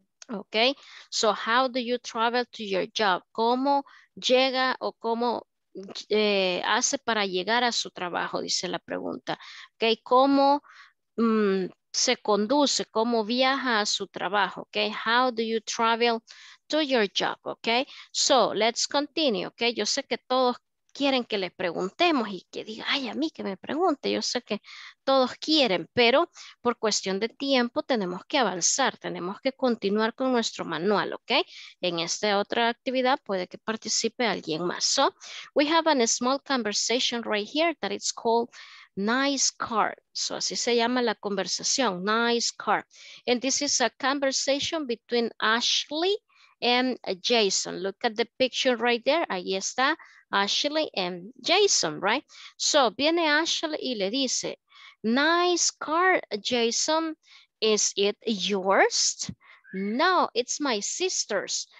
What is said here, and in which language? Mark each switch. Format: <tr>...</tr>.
<en>Okay, so how do you travel to your job?</en> <es>¿Cómo llega o cómo hace para llegar a su trabajo? Dice la pregunta. Okay, ¿cómo se conduce? ¿Cómo viaja a su trabajo?</es> <en>Okay, how do you travel to your job? Okay, so let's continue.</en> <es>Okay, yo sé que todos quieren que le preguntemos y que diga, ay, a mí que me pregunte. Yo sé que todos quieren, pero por cuestión de tiempo tenemos que avanzar, tenemos que continuar con nuestro manual, ¿ok? En esta otra actividad puede que participe alguien más.</es> <en>So, we have a small conversation right here that it's called Nice Car.</en> <es>So, así se llama la conversación, Nice Car.</es> <en>And this is a conversation between Ashley and Jason. Look at the picture right there.</en> <es>Ahí está</es> <en>Ashley and Jason, right?</en> <es>So, viene Ashley y le dice,</es> <en>nice car,</en> <es>Jason.</es> <en>Is it yours? No, it's my sister's.</en>